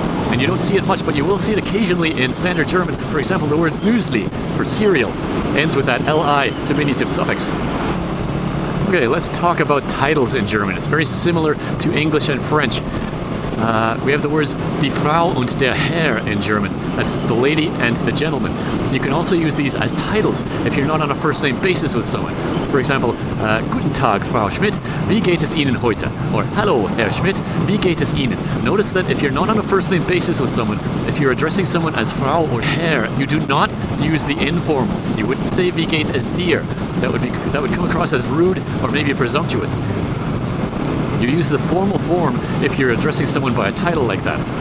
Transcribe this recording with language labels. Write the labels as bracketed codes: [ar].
[en] And you don't see it much, but you will see it occasionally in standard German. For example, the word Müsli for cereal ends with that L-I diminutive suffix. Okay, let's talk about titles in German. It's very similar to English and French. We have the words [de] die Frau und der Herr [en] in German. That's the lady and the gentleman. You can also use these as titles if you're not on a first-name basis with someone. For example, [de] Guten Tag, Frau Schmidt, wie geht es Ihnen heute? [en] Or, hello, Herr Schmidt, [de] wie geht es Ihnen? [en] Notice that if you're not on a first-name basis with someone, if you're addressing someone as Frau or Herr, you do not use the informal. You wouldn't say [de] wie geht es dir. [en] That would come across as rude or maybe presumptuous. You use the formal form if you're addressing someone by a title like that.